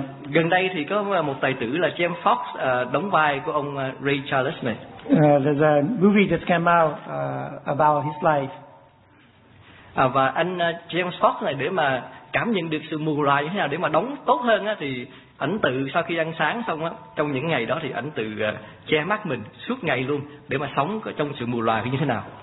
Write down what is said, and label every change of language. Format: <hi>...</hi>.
<vi>Gần đây thì có một tài tử là James Fox đóng vai của ông Ray Charles này.</vi> <en>There's a movie just came out about his life.</en> <vi>Và anh James Fox này, để mà cảm nhận được sự mù lòa như thế nào để mà đóng tốt hơn á, thì ảnh tự sau khi ăn sáng xong á, trong những ngày đó thì ảnh tự che mắt mình suốt ngày luôn để mà sống trong sự mù lòa như thế nào.</vi>